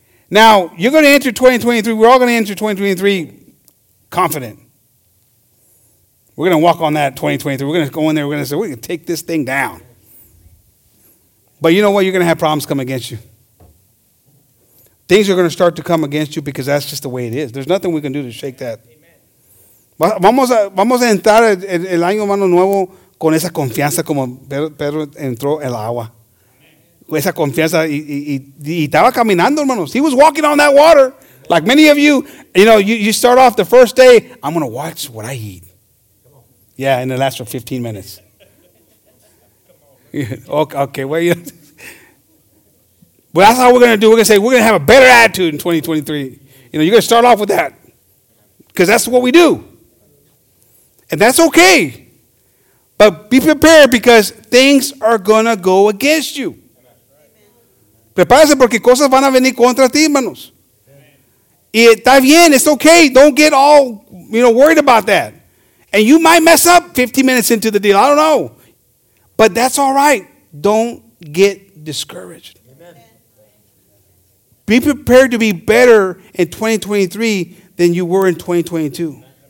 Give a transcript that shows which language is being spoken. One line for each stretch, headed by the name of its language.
English: Now, you're going to enter 2023. We're all going to enter 2023 confident. We're going to walk on that 2023. We're going to go in there. We're going to say, we're going to take this thing down. But you know what? You're going to have problems come against you. Things are going to start to come against you because that's just the way it is. There's nothing we can do to shake that.
Spanish: Vamos a entrar el año mano nuevo con esa confianza como Pedro entró el agua. Esa confianza, y estaba caminando, hermanos.
English: He was walking on that water. Like many of you, you know, you start off the first day, I'm going to watch what I eat. Yeah, and it lasts for 15 minutes. Okay, well, yeah. Well, that's how we're going to do. We're going to say, we're going to have a better attitude in 2023. You know, you're going to start off with that. Because that's what we do. And that's okay. But be prepared because things are going to go against you.
Spanish: Prepárese porque cosas van a venir contra ti, hermanos. Y está bien,
English: it's okay. Don't get all, you know, worried about that. And you might mess up 15 minutes into the deal. I don't know. But that's all right. Don't get discouraged. Amen. Be prepared to be better in 2023 than you were in 2022. Amen.